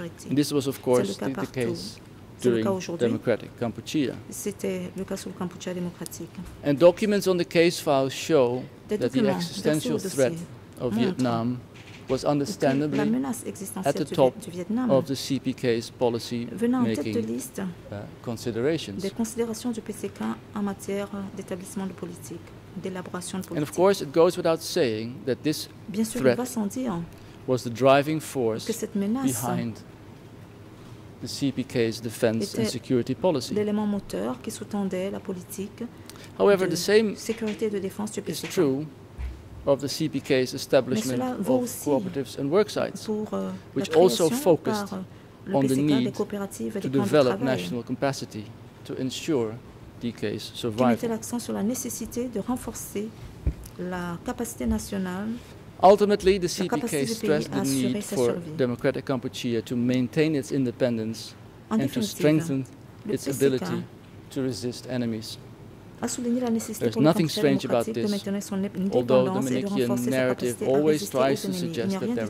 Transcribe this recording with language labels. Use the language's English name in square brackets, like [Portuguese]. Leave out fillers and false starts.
[English] and this was, of course, the case during Democratic Kampuchea. [French] Le cas sur le Kampuchea démocratique. [English] And documents on the case file show that the existential threat of Vietnam was understandably at the top of the CPK's policy-making considerations. [French] Des considérations du PCK en matière d'établissement de politique. [English] And of course, it goes without saying that this threat was the driving force behind the CPK's defense and security policy. However, the same is true of the CPK's establishment of cooperatives and worksites, which also focused on the need to develop national capacity to ensure DK's survival. [French] Qui mettait l'accent sur la nécessité de renforcer la capacité nationale. [English] Ultimately, the CPK stressed the need for Democratic Kampuchea to maintain its independence and to strengthen its ability to resist enemies. There's nothing strange about this, although the Manichaean narrative always tries to suggest that there